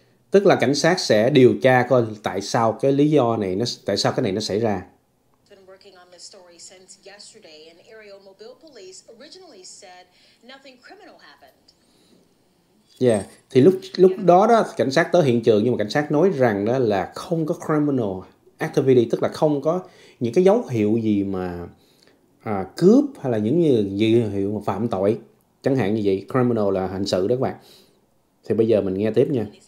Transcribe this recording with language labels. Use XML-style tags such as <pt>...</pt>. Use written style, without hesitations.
<vi>Tức là cảnh sát sẽ điều tra coi tại sao cái lý do này nó tại sao cái này nó xảy ra.</vi> <en>Been working on this story since yesterday, and Aerial Mobile Police originally said nothing criminal happened.</en> <vi>Yeah, thì lúc đó đó cảnh sát tới hiện trường nhưng mà cảnh sát nói rằng đó là không có criminal activity, tức là không có những cái dấu hiệu gì mà cướp hay là những dấu hiệu mà phạm tội chẳng hạn như vậy. Criminal là hình sự đó các bạn. Thì bây giờ mình nghe tiếp nha.</vi>